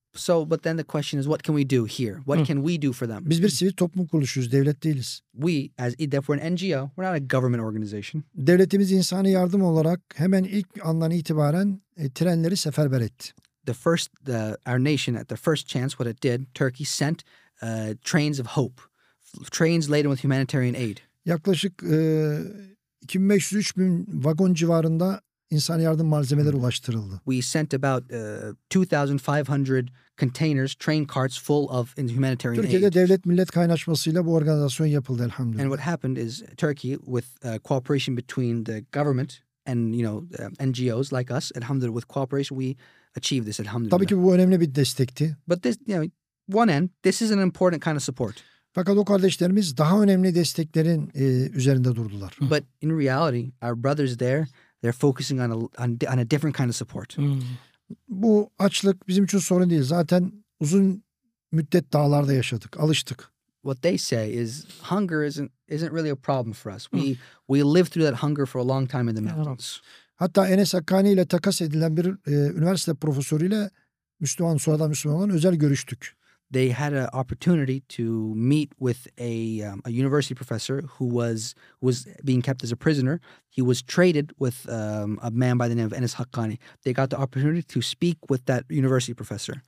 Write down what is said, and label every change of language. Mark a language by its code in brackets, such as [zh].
[en] So, but then the question is, what can we do here? What can we do for them? [tr] Biz bir sivil toplum kuruluşuyuz, devlet değiliz. [en] We, as EDF, we're an NGO, we're not a government organization. [tr] Devletimiz insani yardım olarak hemen ilk andan itibaren trenleri seferber etti. [en] Our nation, at the first chance, what it did, Turkey sent trains of hope, trains laden with humanitarian aid. [tr] Yaklaşık 2500-3000 vagon civarında İnsan yardım malzemeleri ulaştırıldı. [en] We sent about 2,500 containers, train carts full of humanitarian [tr] Türkiye'de devlet millet kaynaşmasıyla bu organizasyon yapıldı elhamdülillah. [en] And what happened is Turkey, with cooperation between the government and NGOs like us, elhamdülillah, with cooperation we achieved this elhamdülillah. [tr] Tabii ki bu önemli bir destekti. [en] But this, one end, this is an important kind of support. [tr] Fakat o kardeşlerimiz daha önemli desteklerin üzerinde durdular. [en] But in reality, our brothers there, they're focusing on a different kind of support. Hmm. [tr] Bu açlık bizim için sorun değil. Zaten uzun müddet dağlarda yaşadık, alıştık. [en] What they say is hunger isn't really a problem for us. We lived through that hunger for a long time in the mountains. [tr] Hatta Enes Hakkani ile takas edilen bir üniversite profesörüyle Müslüman, sonradan Müslüman olan özel görüştük. [en] They had an opportunity to meet with a university professor who was being kept as a prisoner. He was traded with a man by the name of Enes Hakkani. They got the opportunity to speak with that university professor.